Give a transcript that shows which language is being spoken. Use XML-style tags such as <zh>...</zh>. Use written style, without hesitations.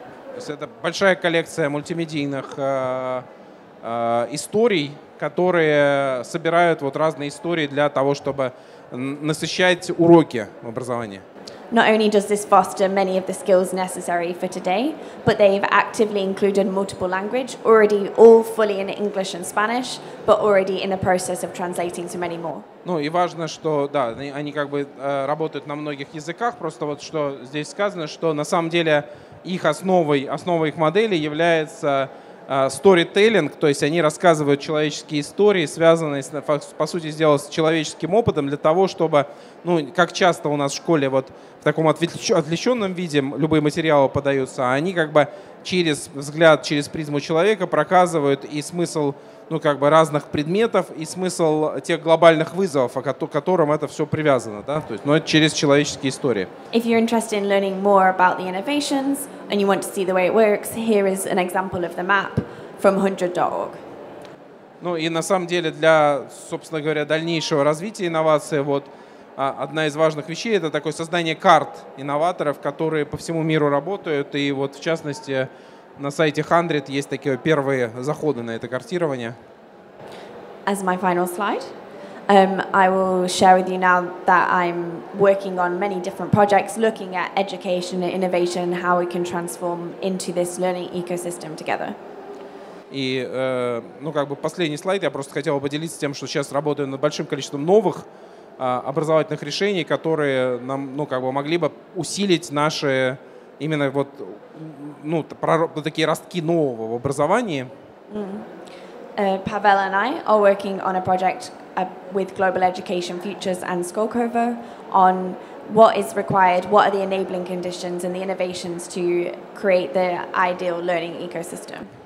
<ru>То есть это большая коллекция мультимедийных историй, которые собирают вот разные истории для того, чтобы насыщать уроки в образовании.</ru> <en>Not only does this foster many of the skills necessary for today, but they've actively included multiple language, already all fully in English and Spanish, but already in the process of translating to many more.</en> <ru>Ну и важно, что да, они как бы работают на многих языках, просто вот что здесь сказано, что на самом деле их основой их модели является storytelling, то есть они рассказывают человеческие истории, связанные, по сути, с человеческим опытом для того, чтобы, ну, как часто у нас в школе вот в таком отвлеченном виде любые материалы подаются, а они как бы через взгляд, через призму человека проказывают и смысл, ну, как бы разных предметов, и смысл тех глобальных вызовов, к которым это все привязано, да, то есть, ну, это через человеческие истории.</ru> <en>If you're interested in learning more about the innovations and you want to see the way it works, here is an example of the map from 100.org.</en> <ru>Ну и на самом деле для, собственно говоря, дальнейшего развития инновации вот одна из важных вещей – это такое создание карт инноваторов, которые по всему миру работают. И вот в частности на сайте HundrED есть такие первые заходы на это картирование.</ru> <en>As my final slide, I will share with you now that I'm working on many different projects looking at education and innovation and how we can transform into this learning ecosystem together.</en> <ru>И, ну, как бы последний слайд, я просто хотел поделиться тем, что сейчас работаю над большим количеством новых образовательных решений, которые нам, ну, как бы могли бы усилить наши именно вот, ну, такие ростки нового в образовании.</ru> <en>Павел and I are working on a project with Global Education Futures and Skolkovo on what is required, what are the enabling conditions and the innovations to create the ideal learning ecosystem.</en>